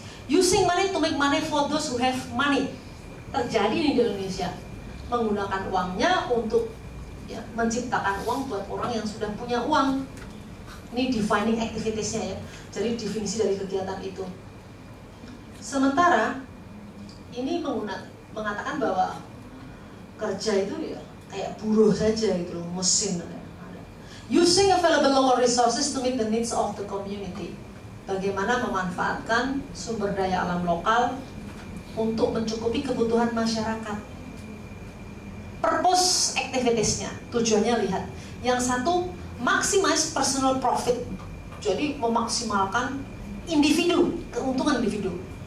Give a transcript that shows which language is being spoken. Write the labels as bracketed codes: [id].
[en] Using money to make money for those who have money. [id] Terjadi nih di Indonesia. Menggunakan uangnya untuk ya, menciptakan uang buat orang yang sudah punya uang. Ini [en] defining activities- [id] nya ya. Jadi definisi dari kegiatan itu. Sementara ini mengatakan bahwa kerja itu ya kayak buruh saja gitu loh, mesin. [en] Using available local resources to meet the needs of the community. [id] Bagaimana memanfaatkan sumber daya alam lokal untuk mencukupi kebutuhan masyarakat. [en] Purpose activities-nya, [id] tujuannya lihat. Yang satu, [en] maximize personal profit. [id] Jadi memaksimalkan individu, keuntungan individu.